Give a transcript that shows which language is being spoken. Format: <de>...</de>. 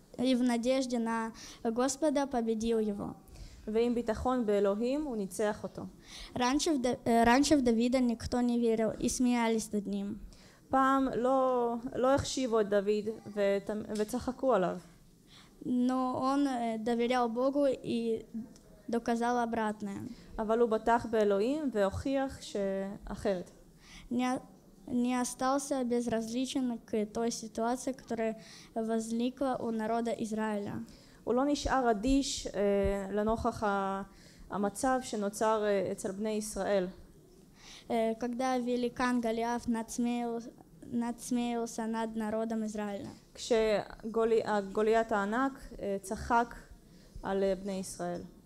<ru>И в надежде на Господа победил его.</ru> <he>ועם ביטחון באלוהים הוא ניצח אותו.</he> <ru>Раньше в Давида никто не верил и смеялись над ним.</ru> <he>פעם לא החשיבו את דוד וצחקו עליו.</he> <ru>Но он доверял Богу и доказал обратное.</ru> <he>אבל הוא בטח באלוהים והוכיח שאחרת.</he> <ru>Не остался безразличен к той ситуации, которая возникла у народа Израиля.</ru> <he>הוא לא נשאר אדיש לנוכח המצב שנוצר אצל בני ישראל.</he> <ru>Когда великан Голиаф נצמאился над народом Израиля.</ru> <he>כשגוליית הענק צחק על בני ישראל.</he>